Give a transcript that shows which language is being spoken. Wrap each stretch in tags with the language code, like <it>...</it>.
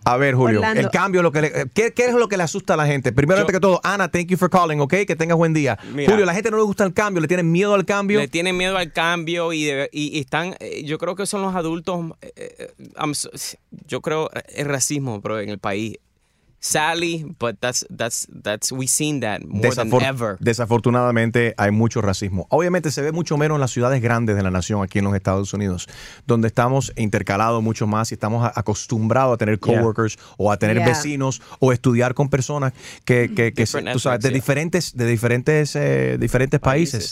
<es>A ver, Julio, Orlando, el cambio, ¿qué es lo que le asusta a la gente? Primero, antes que todo, Ana,</es> <en>thank you for calling,</en> <es>¿ok? Que tengas buen día. Mira, Julio, la gente no le gusta el cambio, le tienen miedo al cambio. Le tienen miedo al cambio y están, yo creo que son los adultos, el racismo, bro, en el país.</es> <en>Sadly, but that's we've seen that more than ever.</en> <es>Desafortunadamente, hay mucho racismo. Obviamente, se ve mucho menos en las ciudades grandes de la nación aquí en los Estados Unidos, donde estamos intercalados mucho más y estamos acostumbrados a tener coworkers o a tener vecinos o estudiar con personas de diferentes países.</es>